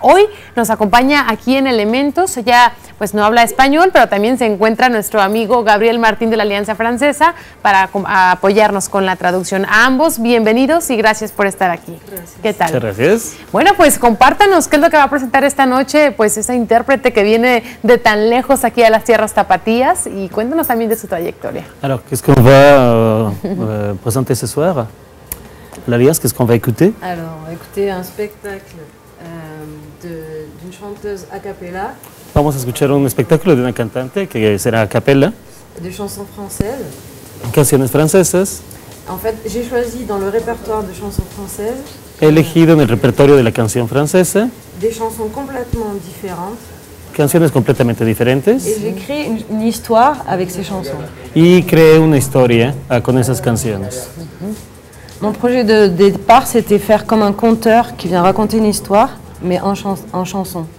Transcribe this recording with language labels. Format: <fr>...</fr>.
<es>Hoy nos acompaña aquí en Elementos. Ella pues, no habla español, pero también se encuentra nuestro amigo Gabriel Martín de la Alianza Francesa para apoyarnos con la traducción. A ambos, bienvenidos y gracias por estar aquí. Gracias. ¿Qué tal? Muchas gracias. Bueno, pues compártanos qué es lo que va a presentar esta noche. Pues esa intérprete que viene de tan lejos aquí a las tierras tapatías, y cuéntanos también de su trayectoria.</es> <fr>Alors, qu'est-ce qu'on va présenter ce soir? L'alias, qu'est-ce qu'on va écouter? Alors, écouter un spectacle d'une chanteuse a cappella.</fr> <es>Vamos a escuchar un espectáculo de una cantante que será a capella.</es> <fr>De chansons françaises.</fr> <es>Canciones francesas.</es> <fr>En fait, j'ai choisi dans le répertoire de chansons françaises.</fr> <es>He elegido en el repertorio de la canción francesa</es> <fr>des chansons complètement différentes,</fr> <es>canciones completamente diferentes,</es> <fr>et j'ai créé une histoire avec ces chansons.</fr> <es>Y creé una historia con esas canciones.</es> <fr>Mon projet de départ c'était faire comme un conteur qui vient raconter une histoire mais en chanson.</fr>